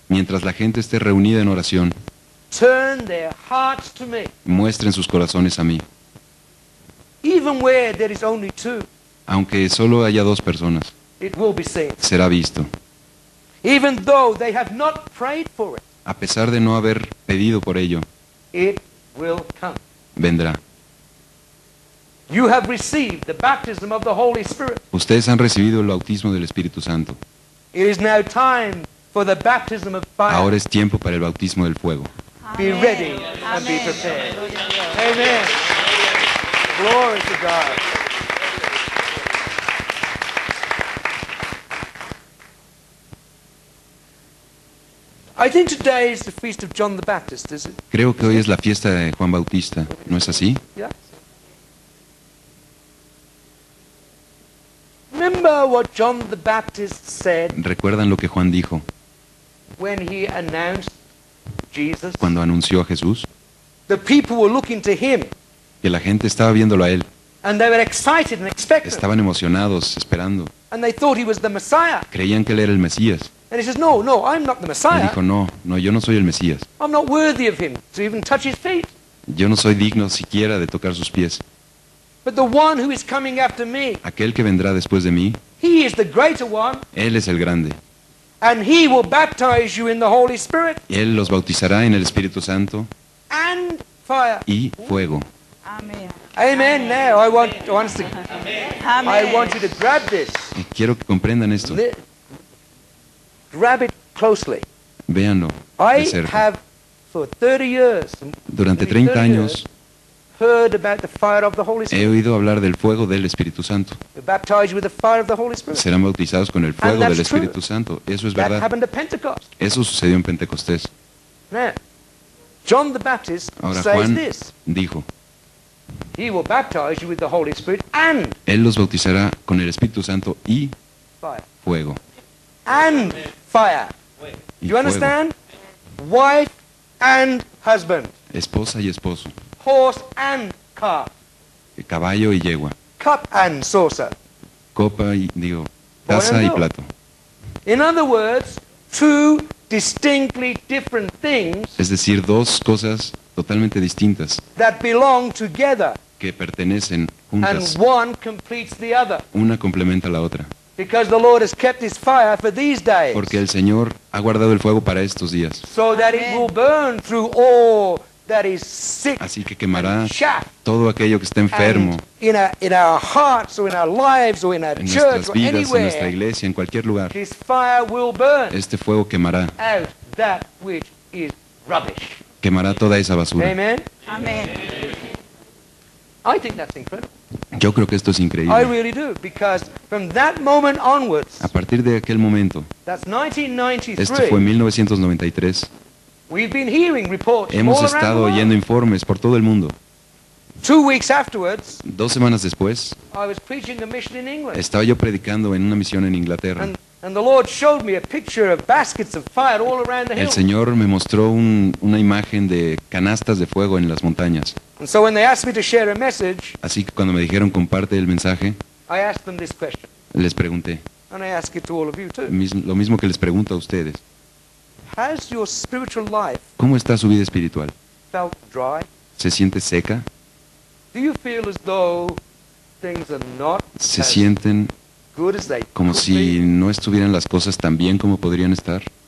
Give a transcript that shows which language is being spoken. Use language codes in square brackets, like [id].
[es] Mientras la gente esté reunida en oración. [en] Turn their hearts to me. [es] Muestren sus corazones a mí. [en] Even where there is only two. [es] Aunque solo haya dos personas. [en] It will be seen. [es] Será visto. [en] Even though they have not prayed for it. [es] A pesar de no haber pedido por ello. [en] It will come. [es] Vendrá. [en] You have received the baptism of the Holy Spirit. [es] Ustedes han recibido el bautismo del Espíritu Santo. [en] It is now time for the baptism of fire. [es] Ahora es tiempo para el bautismo del fuego. [en] Amen. Be ready. Amen. And be prepared. Amen. Amen. Glory to God. I think today is the feast of John the Baptist, is it? [es] Creo que hoy es la fiesta de Juan Bautista, ¿no es así? [en] Yes. Remember what John the Baptist said. [es] ¿Recuerdan lo que Juan dijo? [en] When he announced Jesus. [es] Cuando anunció a Jesús. [en] The people were looking to him. [es] Que la gente estaba viéndolo a él. [en] And they were excited and expectant. [es] Estaban emocionados, esperando. [en] And they thought he was the Messiah. [es] Creían que él era el Mesías. [en] And he says, "No, no, I'm not the Messiah." [es] Y dijo, "No, no, yo no soy el Mesías." [en] I'm not worthy of him to even touch his feet. [es] Yo no soy digno siquiera de tocar sus pies. [en] But the one who is coming after me. [es] Aquel que vendrá después de mí. [en] He is the greater one. [es] Él es el grande. [en] And he will baptize you in the Holy Spirit. [es] Y él los bautizará en el Espíritu Santo. [en] And fire. [es] Y fuego. [en] Amen. Amen. Amen. Now I want you to grab this. [es] Y quiero que comprendan esto. [en] Grab it closely. [es] Véanlo. [en] I have for 30 years. [es] Durante 30 años. [en] Heard about the fire of the Holy Spirit. [es] He oído hablar del fuego del Espíritu Santo. [en] You're baptized with the fire of the Holy Spirit. [es] Serán bautizados con el fuego del Espíritu Santo. Eso es verdad. [en] That happened at Pentecost. [es] Eso sucedió en Pentecostés. [en] Now, John the Baptist says this. [es] Dijo. [en] He will baptize you with the Holy Spirit and. [es] Él los bautizará con el Espíritu Santo y [en] fire. [es] Fuego. [en] And fire. Do you understand? Wife and husband. [es] Esposa y esposo. [en] Horse and car. [es] Caballo y yegua. [en] Cup and saucer. [es] Copa y digo, taza y plato. [en] In other words, two distinctly different things. [es] Es decir, dos cosas totalmente distintas. [en] That belong together. [es] Que pertenecen juntas. [en] And one completes the other. [es] Una complementa a la otra. [en] Because the Lord has kept his fire for these days. [es] Porque el Señor ha guardado el fuego para estos días. [en] So that it will burn through all that is sick. [es] Así que quemará todo aquello que esté enfermo. [en] In our hearts or in our lives or in our church or anywhere. [es] En nuestras vidas, en nuestra iglesia, en cualquier lugar. [en] This fire will burn. [es] Este fuego quemará. [en] Out that which is rubbish. [es] Quemará toda esa basura. [en] Amen. [es] Amen. [en] I think that's incredible. [es] Yo creo que esto es increíble. [en] I really do, because from that moment onwards, [es] a partir de aquel momento, [en] that's 1993, [es] esto fue 1993, [en] we've been hearing reports [es] hemos estado oyendo informes por todo el mundo. [en] 2 weeks afterwards, [es] 2 semanas después, [en] I was preaching a mission in England. [es] Estaba yo predicando en una misión en Inglaterra. [en] And the Lord showed me a picture of baskets of fire all around the hill. [es] El Señor me mostró una imagen de canastas de fuego en las montañas. [en] And so when they asked me to share a message, [es] así que cuando me dijeron comparte el mensaje, [en] I asked them this question. [es] Les pregunté. [en] And I ask it to all of you too. [es] Lo mismo que les pregunto a ustedes. [en] Has your spiritual life? [es] ¿Cómo está su vida espiritual? [en] Felt dry? [es] ¿Se siente seca? [en] Do you feel as though things are not? [es] ¿Se sienten como si no estuvieran las cosas tan bien como podrían estar?